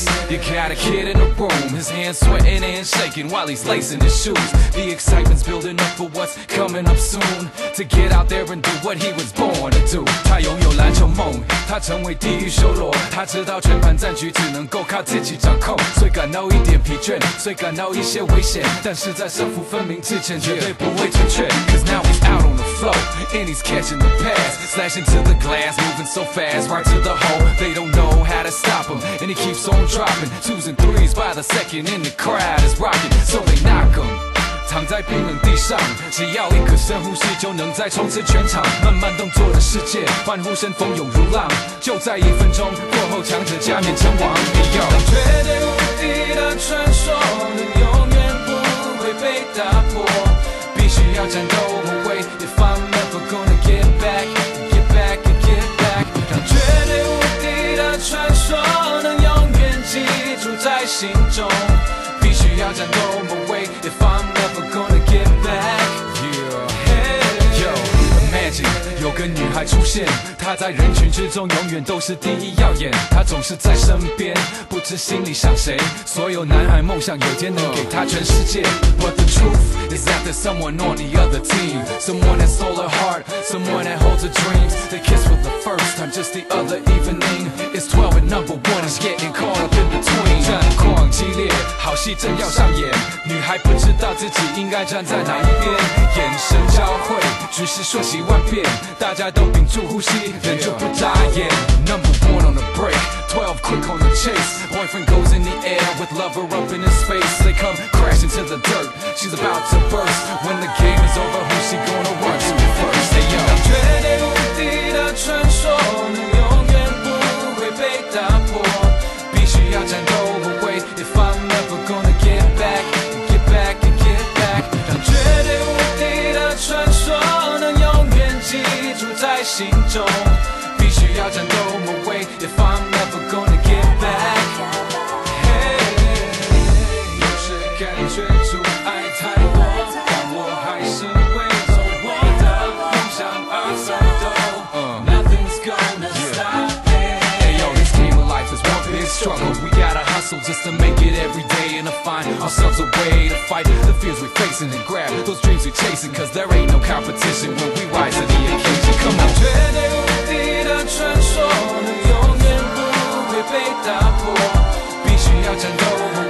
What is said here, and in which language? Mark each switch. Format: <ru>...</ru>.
<en>You got a kid in a room, his hands sweating and shaking while he's lacing his shoes. The excitement's building up for what's coming up soon. To get out there and do what he was born to do.</en> <zh>他拥有篮球梦，他成为地狱修罗。他知道全盘战局只能够靠自己掌控，虽感到一点疲倦，虽感到一些危险，但是在胜负分明之前绝对不会退却。</zh> <en>Cause now he's out on the floor and he's catching the pass, slashing to the glass, moving so fast, right to the hole. They don't know how to stop him and he keeps on dropping twos and threes by the second, and the crowd is rocking, so they knock him.</en> <zh>躺在冰冷地上，只要一个深呼吸就能再冲刺全场。慢慢动作的世界，欢呼声蜂拥如浪，就在一分钟过后，强者加冕称王。绝对无敌的传说能永远不会被打破，必须要战斗无畏。</zh> <en>If I'm ever gonna get back,</en> <zh>get back, get back， 让绝对无敌的传说能永远记住在心中，必须要战斗无畏。</zh> <en>If I'm ever gonna get back, yeah, hey, yo, imagine</en> <zh>有个女孩出现，她在人群之中永远都是第一耀眼，她总是在身边，不知心里想谁，所有男孩梦想有天能给她全世界。</zh> <en>But the truth is that there's someone on the other team, someone that stole her heart, someone that holds her dreams. They kissed for the first time just the other evening. It's 12 and number one is getting caught up in between.</en> <zh>战况激烈，好戏正要上演，女孩不知道自己应该站在哪一边，眼神交汇，局势瞬息万变，大家都屏住呼吸，忍住不眨眼。</zh> <en>Number one on the break, 12 quick on the chase. Boyfriend goes in the air with lover up in his face. They come crashing to the dirt. She's about to burst. When the game is over, who's she gonna run to first? Hey yo,</en> <zh>绝对无敌的传说能永远不会被打破，必须要战斗无畏。</zh> <en>If I'm ever gonna get back,</en> <zh>get back, get back， 让绝对无敌的传说能永远记住在心中。要战斗无畏</zh> <en>，If I'm ever gonna get back。 Hey，</en> <zh>有时感觉阻碍太多，但我还是会走我的方向而战斗。</zh> <en>Nothing's gonna stop it。 Hey yo， this game of life is one big struggle。 We gotta hustle just to make it every day and to find ourselves a way to fight the fears we're facing and grab those dreams we're chasing。 'Cause there ain't no competition when we rise to the occasion。 Come on。</en> <zh>传说能永远不会被打破，必须要战斗。</zh>